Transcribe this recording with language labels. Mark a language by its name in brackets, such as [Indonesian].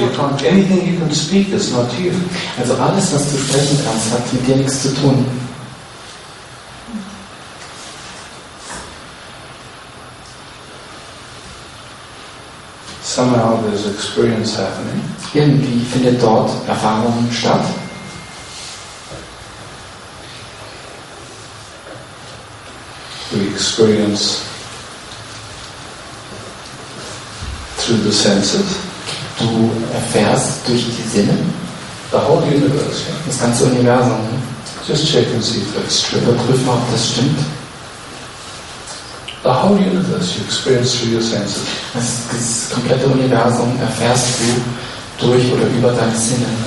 [English] You can't, anything you can speak is not you. [German] Also alles, was du sprechen kannst, hat mit dir nichts zu tun. [English] Somehow there's experience happening. [German] Irgendwie findet dort Erfahrung statt. [English] We experience through the senses. [German] Du erfährst durch die Sinne. [English] The whole universe. Yeah. [German] Das ganze Universum. [English] Just check and see if that's true. [German] Überprüf mal, ob das stimmt. [English] The whole universe you experience through your senses. [German] Das komplette Universum erfährst du durch oder über deine Sinne.